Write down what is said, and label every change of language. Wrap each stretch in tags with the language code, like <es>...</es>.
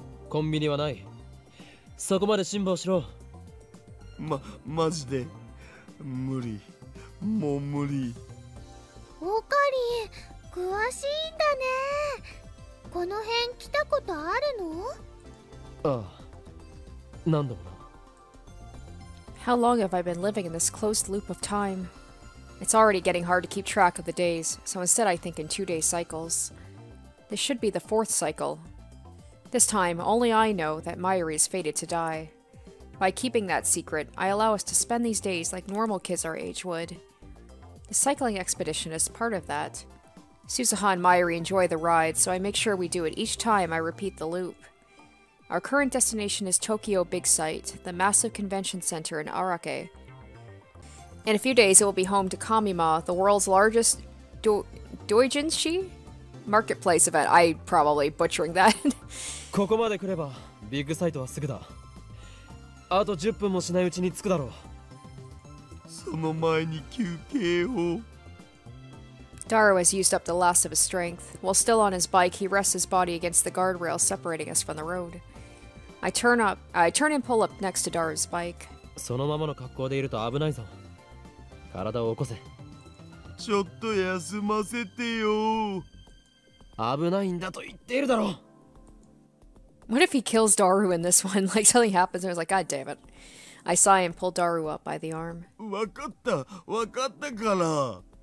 <ja>コンビニはない。そこまで辛抱しろ。マジで。無理、もう無理。オカリン、詳しいんだね。この辺来たことあるの？ああ、何度もな。</ja> <en>How long have I been living in this closed loop of time? It's already getting hard to keep track of the days, so instead I think in two-day cycles. This should be the fourth cycle. This time, only I know that Mayuri is fated to die. By keeping that secret, I allow us to spend these days like normal kids our age would. The cycling expedition is part of that. Suzuha and Mayuri enjoy the ride, so I make sure we do it each time I repeat the loop. Our current destination is Tokyo Big Sight, the massive convention center in Arake. In a few days, it will be home to Kamima, the world's largest doujinshi marketplace event. I probably butchering that.</en> <ja>ここまで来ればビッグサイトはすぐだ。あと10分もしないうちに着くだろう。その前に休憩を。</ja> <en>Daru has used up the last of his strength. While still on his bike, he rests his body against the guardrail separating us from the road. I turn and pull up next to Daru's bike.</en> <ja>そのままの格好でいると危ないぞ。体を起こせ。ちょっと休ませてよ。危ないんだと言っているだろう。</ja> <en>What if he kills Daru in this one? Like something happens and he's like, God damn it. I sigh and pull Daru up by the arm.</en> <ja>わかった、わかったから。</ja>